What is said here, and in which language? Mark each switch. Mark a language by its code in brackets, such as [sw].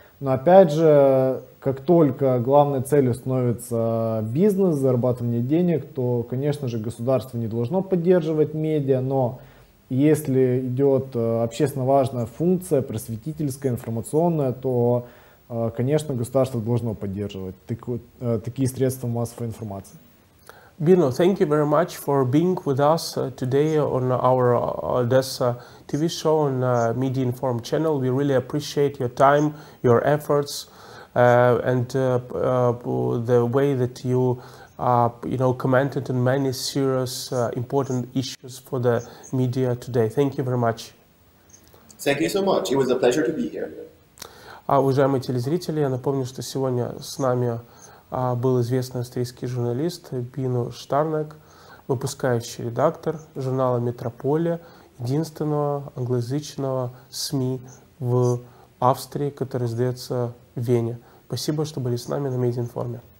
[ru] Но опять же, как только главной целью становится бизнес, зарабатывание денег, то, конечно же, государство не должно поддерживать медиа, но если идет общественно важная функция, просветительская, информационная, то, конечно, государство должно поддерживать такие средства массовой информации. [en] Bino, thank you very much for being with us today on our Odessa TV show on Media Inform channel. We really appreciate your time, your efforts, and the way that you, you know, commented on many serious, important issues for the media today. Thank you very much. Thank you so much. It was a pleasure to be here. [ru] А уважаемые телезрители, я напомню, что сегодня с нами был известный австрийский журналист Бино Штарнек, выпускающий редактор журнала «Метрополия», единственного англоязычного СМИ в Австрии, который издается в Вене. Спасибо, что были с нами на Медиаинформе.